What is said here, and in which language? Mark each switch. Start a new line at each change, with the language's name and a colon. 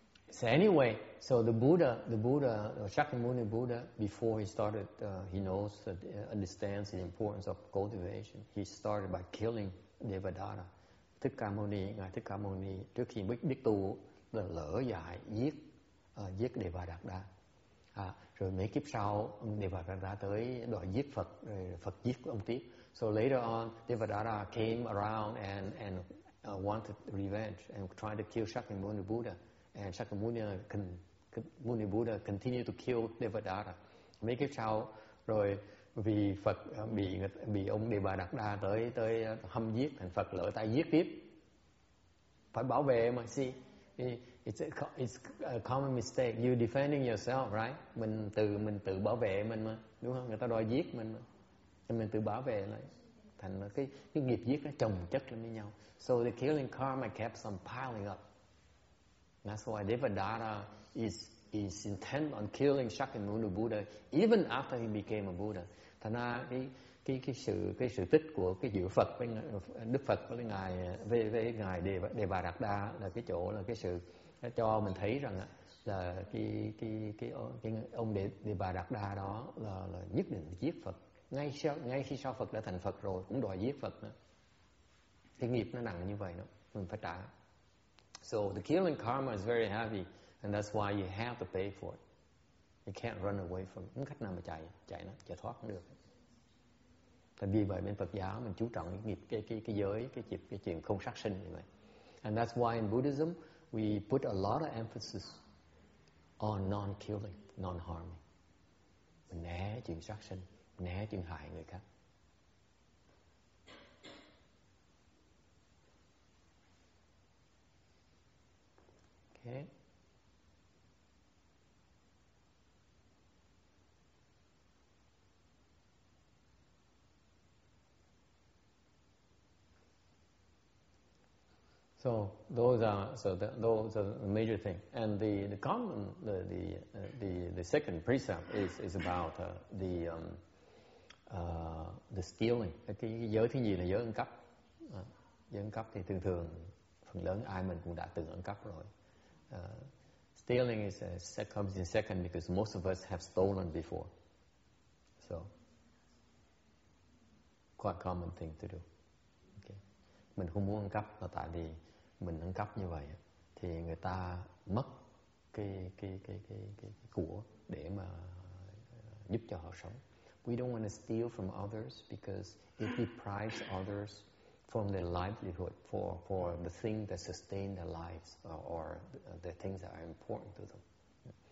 English: So anyway, so the Buddha, Shakyamuni Buddha, before he started, he knows that understands the importance of cultivation. He started by killing Devadatta.
Vietnamese: Thích Ca Mâu Ni, ngài Thích Ca Mâu Ni trước khi biết tu là lỡ dại giết Devadatta. Rồi mấy kiếp sau Devadatta tới đòi giết Phật, rồi Phật giết ông tiếp.
English: So later on, Devadatta came around and wanted revenge and tried to kill Shakyamuni Buddha, and Shakyamuni Buddha continued to kill Devadatta.
Vietnamese: Mấy cái sau rồi vì Phật bị ông Đề Bà Đạt Đa tới hâm giết, thành Phật lỡ tay giết tiếp. Phải bảo vệ mà,
English: see, it's a common mistake, you defending yourself, right?
Vietnamese: Mình tự bảo vệ mình mà, đúng không? Người ta đòi giết mình mà, nên mình tự bảo vệ lại. Thành cái nghiệp giết nó chồng chất lên với nhau.
English: So the killing karma kept some piling up. That's why Devadatta is intent on killing Shakyamuni Buddha even after he became a Buddha.
Vietnamese: Thành ra cái sự tích của cái giữa Phật với Đức Phật với ngài Đề Bà Đạt Đa là cái chỗ là cái sự nó cho mình thấy rằng là cái ông Đề Bà Đạt Đa đó là nhất định giết Phật. Ngay khi sau Phật đã thành Phật rồi cũng đòi giết Phật nữa. Cái nghiệp nó nặng như vậy đó, mình phải trả.
English: So the killing karma is very heavy, and that's why you have to pay for it. You can't run away from it.
Vietnamese: Không cách nào mà chạy nó, chạy thoát cũng được. Tại vì vậy bên Phật giáo mình chú trọng cái nghiệp, cái giới, cái chuyện không sát sinh như vậy.
English: And that's why in Buddhism we put a lot of emphasis on non-killing, non-harming.
Vietnamese: Mình né chuyện sát sinh, né chuyện hại người khác.
English: Okay. So those are the major thing. And the second precept is about the stealing.
Vietnamese: Cái giới thứ nhì là giới ăn cắp. Giới ăn cắp thì thường phần lớn ai mình cũng đã từng ăn cắp rồi.
English: Stealing comes in second because most of us have stolen before. So quite common thing to do. Okay.
Vietnamese: Mình không muốn ăn cắp là tại vì mình ăn cắp như vậy thì người ta mất cái của để mà giúp cho họ sống.
English: We don't want to steal from others because it deprives others from their livelihood for the thing that sustain their lives or the things that are important to them.